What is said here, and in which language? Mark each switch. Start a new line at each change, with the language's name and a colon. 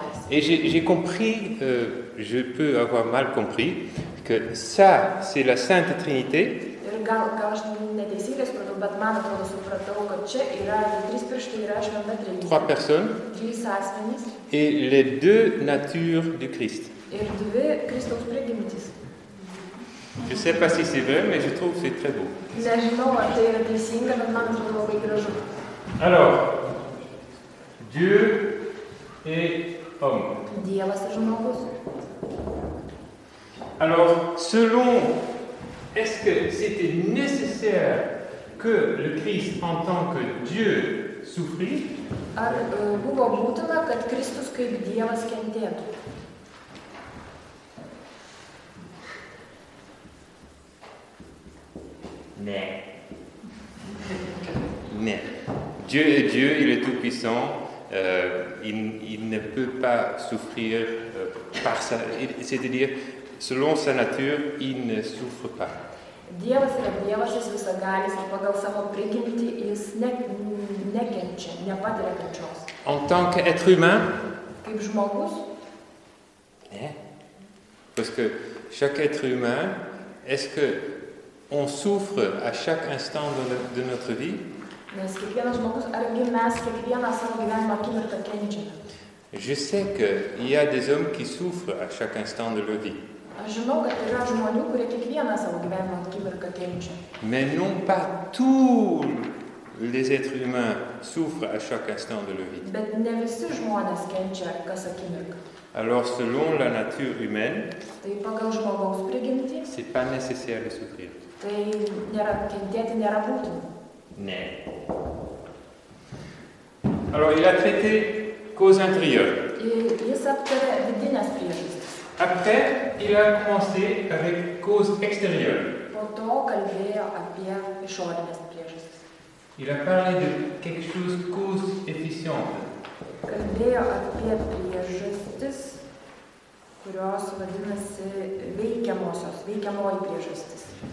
French: Et j'ai compris, je peux avoir mal compris, que ça, c'est la Sainte Trinité.
Lithuanian: Gal aš neteisingai supratau, bet man atrodo supratau, kad čia yra trys pirštai ir aš viena trinitė.
French: Trois personnes.
Lithuanian: Trys asmenys.
French: Et les deux natures du Christ.
Lithuanian: Ir dvi Kristaus prigimtis.
French: Je sais pas si c'est vrai, mais je trouve que c'est très beau.
Lithuanian: Nežinau, ar tai yra teisinga, bet man atrodo labai gražu.
French: Alors, Dieu et homme.
Lithuanian: Dievas ir žmogus.
French: Alors, selon... Est-ce que c'était nécessaire que le Christ en tant que Dieu souffrit?
Lithuanian: Ar buvo būtina, kad Kristus kaip Dievas kentėtų? Ne. Ne.
French: Dieu, il est tout puissant. Il ne peut pas souffrir par sa... C'est-à-dire, selon sa nature, il ne souffre pas.
Lithuanian: Dievas yra Dievas, jis visagalis, pagal savo prigimtį jis nekenčia, nepatiria kančios.
French: En tant qu'être humain?
Lithuanian: Kaip žmogus? Ne.
French: Parce que chaque être humain, est-ce que on souffre à chaque instant de notre vie?
Lithuanian: Nes kiekvienas žmogus, argi mes kiekvieną savo gyvenimą akimirką kenčiame?
French: Je sais qu'il y a des hommes qui souffrent à chaque instant de leur vie.
Lithuanian: Aš žinau, kad yra žmonių, kurie kiekvieną savo gyvenimą akimirką kenčia.
French: Mais non pas tous les êtres humains souffrent à chaque instant de leur vie.
Lithuanian: Bet ne visi žmonės kenčia kas akimirką.
French: Alors selon la nature humaine,
Lithuanian: tai pagal žmogaus prigimtį,
French: c'est pas nécessaire de souffrir.
Lithuanian: Tai nėra kentėti, nėra būtina. Ne.
French: Alors il a traité causes intérieures.
Lithuanian: Jis aptarė vidinės priežastis.
French: Après, il a commencé avec causes extérieures.
Lithuanian: Po to kalbėjo apie išorines priežastis.
French: Il a parlé de quelque chose de cause efficiente.
Lithuanian: Kalbėjo apie priežastis, kurios vadinasi veikiamosios, veikiamoji priežastis.